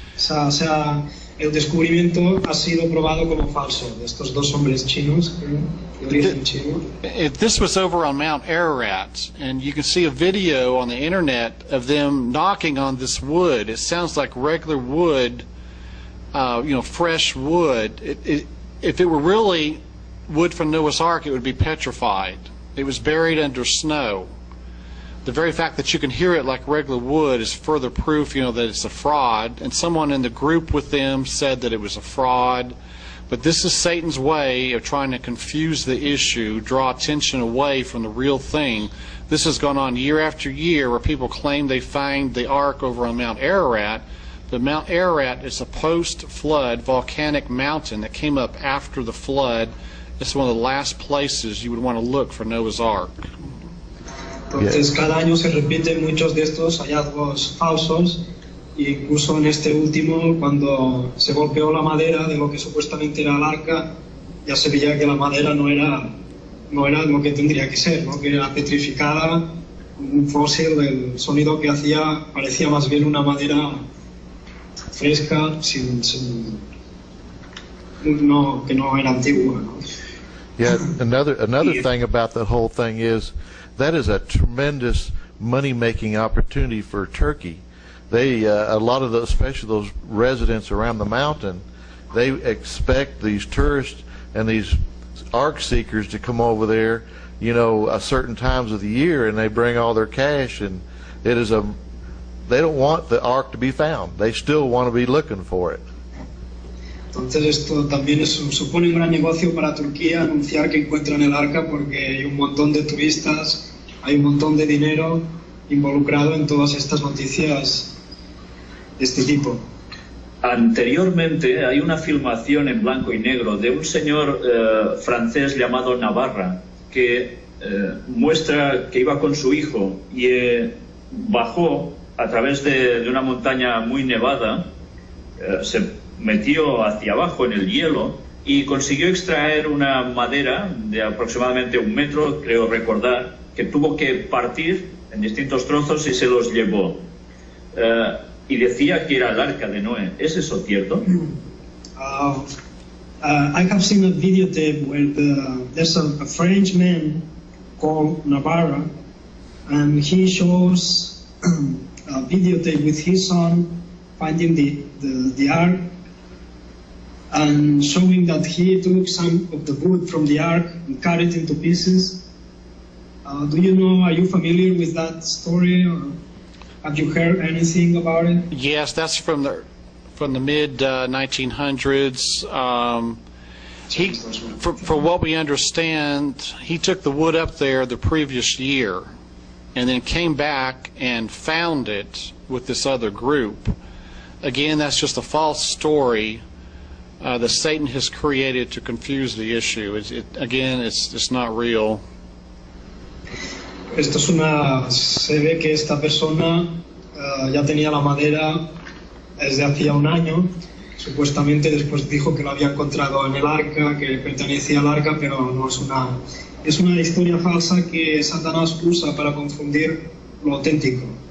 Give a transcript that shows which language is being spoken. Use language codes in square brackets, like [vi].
[es] O sea, el descubrimiento ha sido probado como falso. Estos dos hombres chinos, [en] This was over on Mount Ararat, and you can see a video on the internet of them knocking on this wood. It sounds like regular wood. Fresh wood. If it were really wood from Noah's Ark, it would be petrified. It was buried under snow. The very fact that you can hear it like regular wood is further proof, that it's a fraud. And someone in the group with them said that it was a fraud. But this is Satan's way of trying to confuse the issue, draw attention away from the real thing. This has gone on year after year where people claim they find the Ark over on Mount Ararat. The Mount Ararat is a post-flood volcanic mountain that came up after the flood. It's one of the last places you would want to look for Noah's Ark. [es] Entonces, cada año se repiten muchos de estos hallazgos falsos, y incluso en este último, cuando se golpeó la madera de lo que supuestamente era el arca, ya se veía que la madera no era lo que tendría que ser, ¿no? Que era petrificada, un fósil, el sonido que hacía parecía más bien una madera fresca, sin, que no era antigua, ¿no? [en] Another thing about the whole thing is that is a tremendous money making opportunity for Turkey. Especially those residents around the mountain, they expect these tourists and these ark seekers to come over there, a certain times of the year, and they bring all their cash, and they don't want the ark to be found. They still want to be looking for it. [es] Entonces esto también supone un gran negocio para Turquía anunciar que encuentran el arca porque hay un montón de turistas, hay un montón de dinero involucrado en todas estas noticias de este tipo. Anteriormente hay una filmación en blanco y negro de un señor francés llamado Navarra que muestra que iba con su hijo y bajó a través de una montaña muy nevada, se metió hacia abajo en el hielo y consiguió extraer una madera de aproximadamente un metro, creo recordar, que tuvo que partir en distintos trozos y se los llevó. Y decía que era el arca de Noé. ¿Es eso cierto? [en] I have seen a videotape where there's a French man called Navarra, and he shows a videotape with his son finding the ark and showing that he took some of the wood from the ark and cut it into pieces. Are you familiar with that story, or have you heard anything about it? Yes, that's from the mid 1900s. For what we understand, he took the wood up there the previous year and then came back and found it with this other group. Again, that's just a false story. that Satan has created to confuse the issue. It's not real. [es] Esto es una, se ve que esta persona ya tenía la madera desde hacía un año. Supuestamente después dijo que lo había encontrado en el arca, que pertenecía al arca, pero no es una, es una historia falsa que Satanás usa para confundir lo auténtico.